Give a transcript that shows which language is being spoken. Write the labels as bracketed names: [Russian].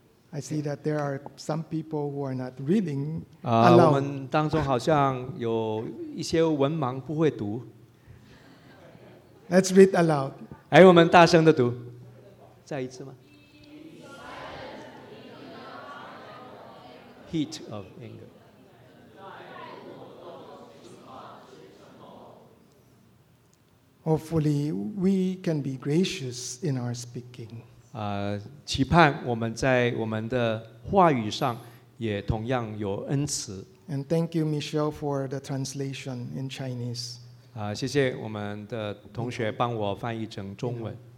[English] I see that there are some people who are not reading. Hello. [Chinese] 我们当中好像有一些文盲不会读。 [English] Let's read aloud. [Chinese] 来，我们大声的读。再一次吗 ？ [English] Heat of anger. [Chinese] 在我的心话之中。 [English] Hopefully, we can be gracious in our speaking. [Chinese] 期盼我们在我们的话语上也同样有恩慈。 [English] And thank you, Michelle, for the translation in Chinese. [Chinese] 谢谢我们的同学帮我翻译成中文。